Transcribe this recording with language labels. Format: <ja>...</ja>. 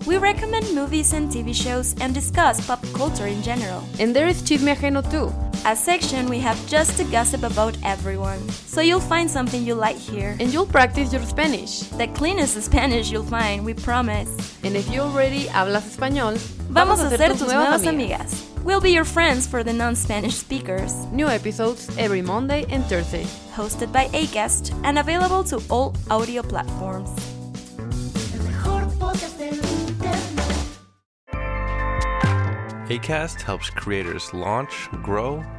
<en>We recommend movies and TV shows and discuss pop culture in general. And there is Chisme Ajeno too. A section we have just to gossip about everyone. So you'll find something you like here. And you'll practice your Spanish. The cleanest Spanish you'll find, we promise. And if you already</en> <es>hablas español, vamos a hacer tus nuevas amigas.</es> <en>We'll be your friends for the non-Spanish speakers. New episodes every Monday and Thursday. Hosted by Acast and available to all audio platforms. Acast helps creators launch, grow,</en>